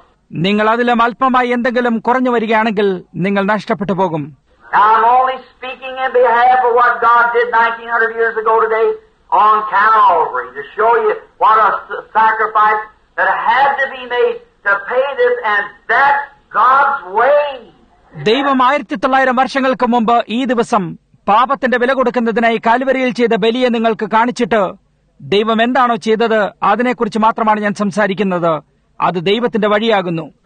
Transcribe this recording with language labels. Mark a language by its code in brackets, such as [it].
[ml] നിങ്ങൾ അതിലും അല്പമായി എന്തെങ്കിലും കുറഞ്ഞു വരികയാണെങ്കിൽ നിങ്ങൾ നഷ്ടപ്പെട്ടു പോകും. [en] I'm only speaking in behalf of what God did 1900 years ago today on Calvary to show you what a sacrifice that had to be made to pay this, and that's God's way. [ml] ദൈവം 1900 വർഷങ്ങൾക്ക് മുമ്പ് ഈ ദിവസം പാപത്തിന്റെ വില കൊടുക്കുന്നതിനായി കാൽവരിയിൽ ചെയ്ത ബലിയെ നിങ്ങൾക്ക് കാണിച്ചിട്ട് ദൈവം എന്താണോ ചെയ്തത് അതിനെക്കുറിച്ച് മാത്രമാണ് ഞാൻ സംസാരിക്കുന്നത്. അത് ദൈവത്തിന്റെ വഴിയാകുന്നു.